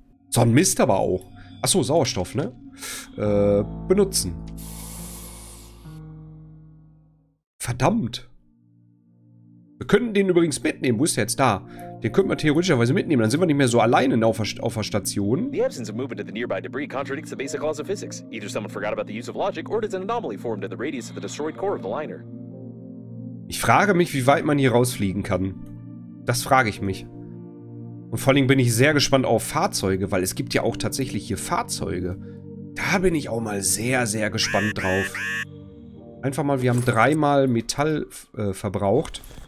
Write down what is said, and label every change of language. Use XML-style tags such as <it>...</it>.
<de>So ein Mist aber auch. Achso, Sauerstoff, ne? Benutzen. Verdammt. Wir könnten den übrigens mitnehmen. Wo ist der jetzt da? Den könnten wir theoretischerweise mitnehmen. Dann sind wir nicht mehr so alleine auf der Station.</de> <en>The absence of movement of the nearby debris contradicts the basic laws of physics. Either someone forgot about the use of logic or there's an anomaly formed in the radius of the destroyed core of the liner.</en> <de>Ich frage mich, wie weit man hier rausfliegen kann. Das frage ich mich. Und vor allem bin ich sehr gespannt auf Fahrzeuge, weil es gibt ja auch tatsächlich hier Fahrzeuge. Da bin ich auch mal sehr, sehr gespannt drauf. Einfach mal, wir haben dreimal Metall verbraucht.</de>